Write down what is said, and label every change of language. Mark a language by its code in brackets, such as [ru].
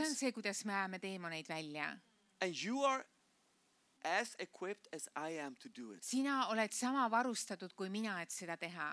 [et] See on see, kuidas me ajame teemoneid välja. [en] And you are as equipped as I am to do it. [et] Sina oled sama varustatud kui mina, et seda teha.